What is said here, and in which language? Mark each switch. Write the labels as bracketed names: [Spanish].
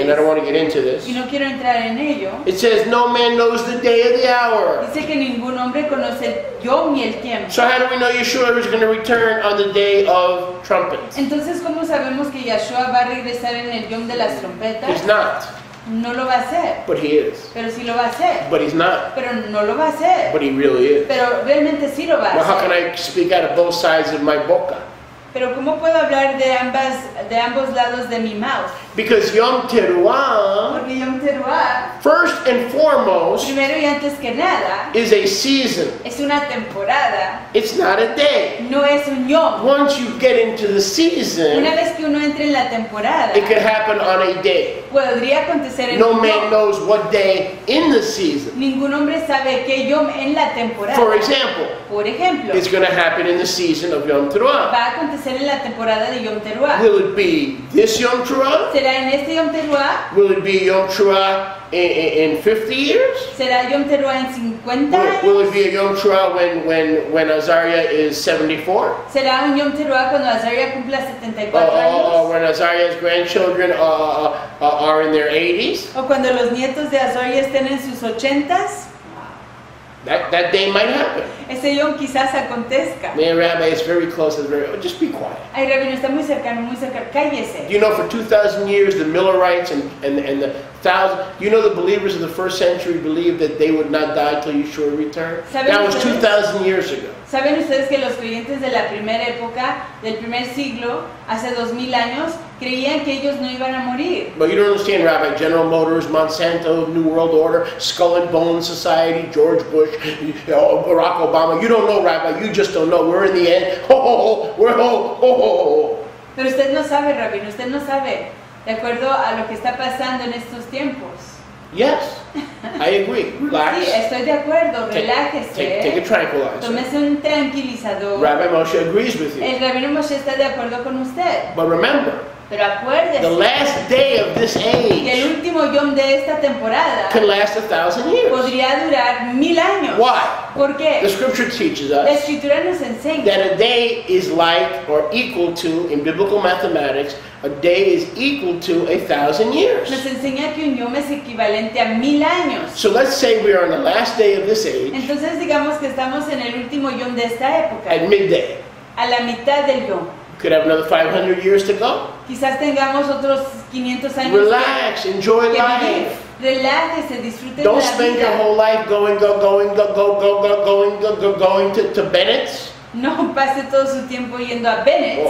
[English] and I don't want to get into this, [Spanish] y no quiero entrar en ello, [English] it says, no man knows the day or the hour. [Spanish] Dice que ningún hombre conoce yo ni el tiempo. [English] So how do we know Yeshua is going to return on the day of trumpets? [Spanish] Entonces, ¿cómo sabemos que Yeshua va a regresar en el yom de las trompetas? [English] He's not. [Spanish] No lo va a hacer. [English] But he is. [Spanish] Pero sí lo va a hacer. [English] But he's not. [Spanish] Pero no lo va a hacer. [English] But he really is. [Spanish] Pero realmente sí lo va a hacer. [English] How can I speak out of both sides of my boca? [Spanish] Pero ¿cómo puedo hablar de ambos lados de mi mouth? [English] Because Yom Teruah. [Spanish] Porque Yom Teruah. [English] First and foremost. [Spanish] Primero y antes que nada. [English] Is a season. [Spanish] Es una temporada. [English] It's not a day. [Spanish] No es un yom. [English] Once you get into the season. [Spanish] Una vez que uno entra en la temporada. [English] It could happen on a day. [Spanish] Podría acontecer en un yom. [English] No man knows what day in the season. [Spanish] Ningún hombre sabe qué yom en la temporada. [English] For example. [Spanish] Por ejemplo. [English] It's going to happen in the season of Yom Teruah. [Spanish] Acontecer en la temporada de Yom Teruah. [English] Will it be this Yom Teruah? [Spanish] ¿Será en este Yom Teruah? [English] Will it be Yom Teruah in 50 years? [Spanish] ¿Será Yom Teruah en 50 años? [English] Will it be a Yom Teruah when Azariah is 74? [Spanish] ¿Será un Yom Teruah cuando Azariah cumpla 74 años? [English] Or when Azariah's grandchildren are in their 80s? [Spanish] ¿O cuando los nietos de Azariah estén en sus 80s? [English] That day might happen. [Spanish] Ese yom quizás acontezca. [English] Man, Rabbi, it's very close. It's very. Just be quiet. [Spanish] Ay, Rabbi, no está muy cercano, muy cercano. Cállese. [English] You know, for 2,000 years, the Millerites and the thousand. You know, the believers of the first century believed that they would not die till Yeshua returned. That was 2,000 years ago. [Spanish] ¿Saben ustedes que los creyentes de la primera época, del primer siglo, hace 2,000 años, creían que ellos no iban a morir? [English] But you don't understand, Rabbi. General Motors, Monsanto, New World Order, Skull and Bone Society, George Bush, Barack Obama. You don't know, Rabbi. You just don't know. We're in the end. [Spanish] Pero usted no sabe, Rabbi. Usted no sabe. De acuerdo a lo que está pasando en estos tiempos. [English] Yes, I agree. Relax. [Spanish] Sí, estoy de acuerdo. Relájese. [English] Take a tranquilizer. [Spanish] Tómese un tranquilizador. [English] Rabbi Moshe agrees with you. [Spanish] El Rabino Moshe está de acuerdo con usted. [English] But remember. [Spanish] Pero acuérdese. [English] The last day of this age. [Spanish] Que el último yom de esta temporada. [English] Can last 1,000 years. [Spanish] Podría durar 1,000 años. [English] Why? [Spanish] ¿Por qué? [English] The scripture teaches us. [Spanish] La escritura nos enseña. [English] That a day is like or equal to, in biblical mathematics, a day is equal to 1,000 years. [Spanish] Nos enseña que un yom es equivalente a 1,000 años. [English] So let's say we are on the last day of this age. [Spanish] Entonces digamos que estamos en el último yom de esta época. [English] At midday. [Spanish] A la mitad del yom. [English] Could have another 500 years to go. [Spanish] Quizás tengamos otros 500 años. [English] Relax, enjoy [Spanish] que [English] life. [Spanish] Relájese, disfrute de la vida. [English] Don't spend your whole life going to Bennett's. [Spanish] No pase todo su tiempo yendo a Bennett's.